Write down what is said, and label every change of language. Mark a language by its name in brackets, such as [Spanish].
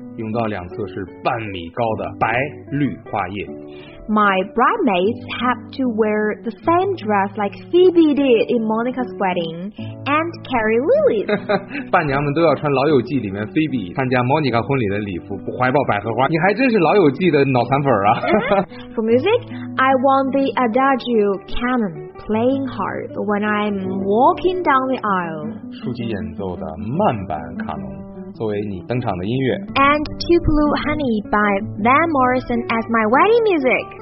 [Chinese] 用到两侧是半米高的白绿花叶。 [English] My bridesmaids have to wear the same dress like Phoebe did in Monica's wedding and carry lilies. [Chinese] 伴娘们都要穿老友记里面 Phoebe 参加 Monica 婚礼的礼服，怀抱百合花。你还真是老友记的脑残粉啊。 [English] For music, I want the Adagio canon playing hard when I'm walking down the aisle. [Chinese] 竖起演奏的慢板卡农。作为你登场的音乐 [English] And Tupelo Honey by Van Morrison as my wedding music、